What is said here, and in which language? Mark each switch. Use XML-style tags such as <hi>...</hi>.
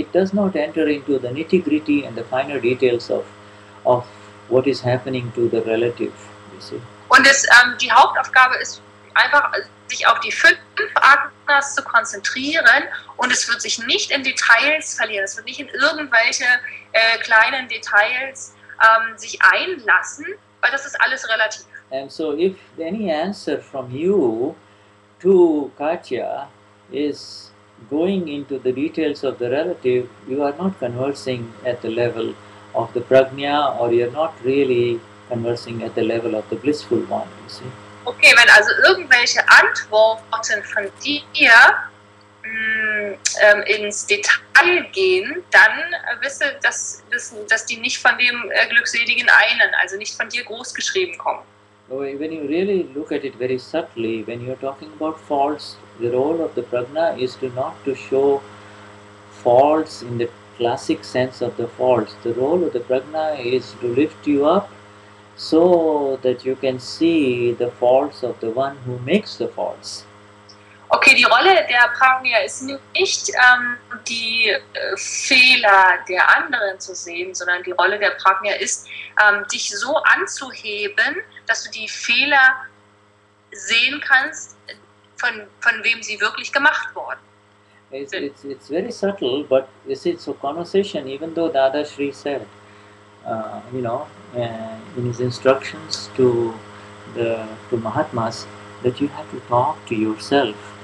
<en>It does not enter into the nitty-gritty and the finer details of what is happening to the relative, you see.</en> <de>Und es, die Hauptaufgabe ist einfach, sich auf die fünf Agnas zu konzentrieren, und es wird sich nicht in Details verlieren, es wird nicht in irgendwelche kleinen Details sich einlassen, weil das ist alles relativ.</de> <en>And so if any answer from you to Katja is going into the details of the relative, you are not conversing at the level of the Prajna, or you are not really conversing at the level of the blissful one, you see.</en> <de>Okay, wenn also irgendwelche Antworten von dir ins Detail gehen, dann wisse, dass die nicht von dem glückseligen einen, also nicht von dir großgeschrieben kommen.</de> <en>When you really look at it very subtly, when you're talking about faults, the role of the Prajna is to not to show faults in the classic sense of the faults. The role of the Prajna is to lift you up so that you can see the faults of the one who makes the faults.</en> <de>Okay, die Rolle der Prajna ist nicht die Fehler der anderen zu sehen, sondern die Rolle der Prajna ist, dich so anzuheben, dass du die Fehler sehen kannst, von wem sie wirklich gemacht worden sind.</de> <en>It's very subtle, but you see, it's a conversation, even though Dadashri said, in his instructions to Mahatmas, that you have to talk to yourself.</en>